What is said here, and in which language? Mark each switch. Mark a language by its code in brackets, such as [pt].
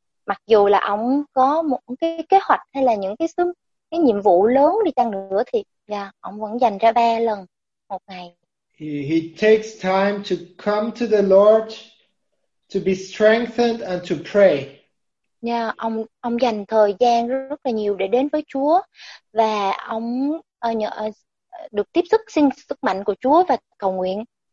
[vi] Mặc dù là ông có một cái kế hoạch hay là những cái nhiệm vụ lớn đi chăng nữa thì ông vẫn dành ra 3 lần một ngày. [en] He takes time to come to the Lord to be strengthened and to pray. [vi] Ông dành thời gian rất là nhiều để đến với Chúa, và ông được tiếp xúc xin sức mạnh của Chúa và cầu nguyện.